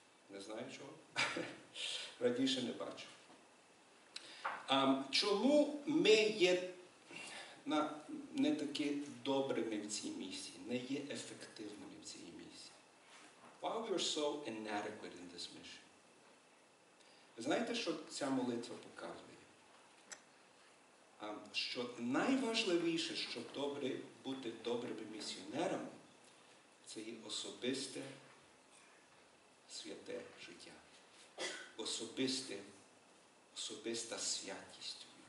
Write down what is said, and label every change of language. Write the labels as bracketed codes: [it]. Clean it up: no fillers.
[uk] Не знаю чого. Радіше не бачу. Чому ми є не такі добрими в цій місії, не є ефективними в цій місії? [en] Why we are so inadequate in this mission? [uk] Ви знаєте, що ця молитва показує? Що найважливіше, що добре бути добрими місіонерами, це є особисте святе життя. Особиста святість.